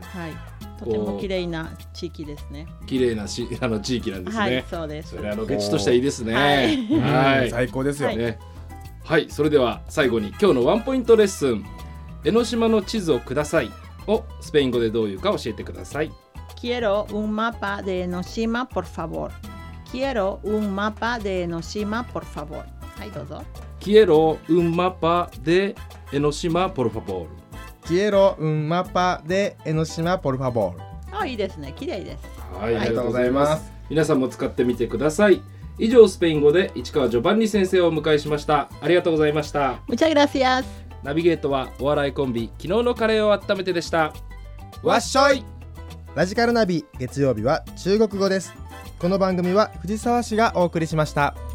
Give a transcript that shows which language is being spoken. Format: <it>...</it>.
<ja>はい、とても綺麗な地域ですね。綺麗な地域なんですね。はい、そうです。それはロケ地としてはいいですね。はい、はい、最高ですよね。はい、はい、それでは最後に今日のワンポイントレッスン、江ノ島の地図をくださいをスペイン語でどういうか教えてください。</ja> <es>Quiero un mapa de江ノ島 por favor. Quiero un mapa de 江ノ島 por favor.</es> <ja>はい、どうぞ。</ja> <es>Quiero un mapa de 江ノ島 por favor. Quiero un mapa de 江ノ島 por favor.</es> <ja>あ、いいですね、綺麗です。はい、ありがとうございます。皆さんも使ってみてください。以上、スペイン語で市川ジョバンニ先生をお迎えしました。ありがとうございました。</ja> <es>Muchas gracias。</es> <ja>ナビゲートはお笑いコンビ昨日のカレーを温めてでした。わっしょい。ラジカルナビ月曜日は中国語です。この番組は藤沢市がお送りしました。</ja>